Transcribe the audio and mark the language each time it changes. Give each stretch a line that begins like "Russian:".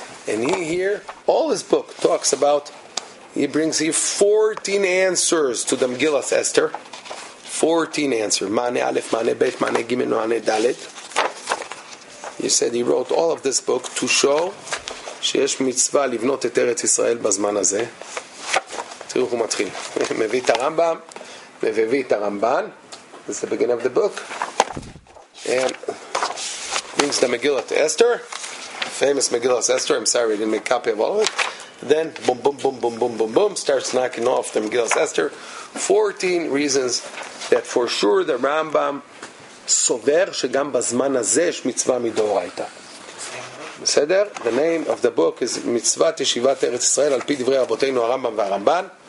English: And he here, all his book talks about, he brings here 14 answers to the Megillas Esther. 14 answers. Mane Aleph, Mane Beit, Mane Gimel, Mane Dalet. He said he wrote all of this book to show
Hebrew: שיש מצווה לבנות את ארץ ישראל בזמן הזה. תראו איך הוא מתחיל. מביא את הרמב״ם, מביא את הרמב״ן.
English: This is the beginning of the book. And brings the Megillat Esther. Famous Megillat Esther. I'm sorry, I didn't make a copy of all of it. Then, boom, boom, boom, boom, boom, boom, boom. Starts knocking off the Megillat Esther. 14 reasons that for sure the Rambam
Hebrew: סובר שגם בזמן הזה יש מצווה מדאורייתא. בסדר?
English: The name of the book is
Hebrew: מצוות ישיבת ארץ ישראל על פי דברי אבותינו הרמב״ם והרמב״ן.